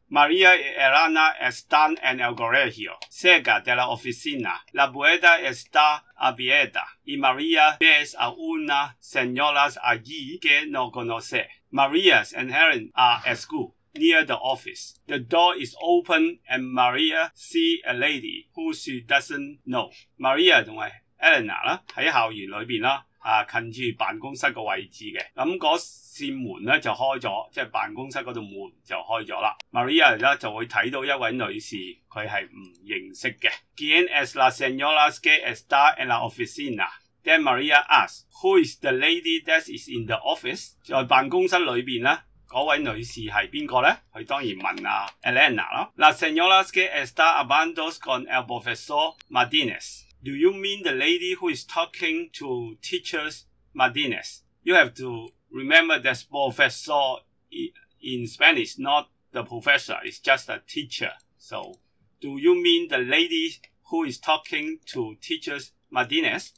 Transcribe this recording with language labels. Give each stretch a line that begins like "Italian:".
Spanish: María y Elena están en el colegio, cerca de la oficina. La puerta está abierta y María ve a una señora allí que no conoce.
English: María and Helen are at school. Near the office. The door is open and Maria see a lady who she doesn't know.
Cantonese: Maria 同埋 Elena 啦，喺校园里边啦，近住办公室个位置嘅。咁嗰扇门咧就开咗，即系办公室嗰度门就开咗啦。 Maria 咧就会睇到一位女士，佢系唔认识嘅。
Spanish: ¿Quién es la señora que está en la oficina?
English: Then Maria asks, "Who is the lady that is in the office?"
Cantonese: 在办公室里边咧。嗰位女士系边个呢？佢当然问啊 Elena 咯。
Spanish: La señora que está hablando con el profesor Martínez.
English: Do you mean the lady who is talking to teacher Martínez? You have to remember that professor in Spanish, not the professor, it's just a teacher. So, do you mean the lady who is talking to teacher Martínez?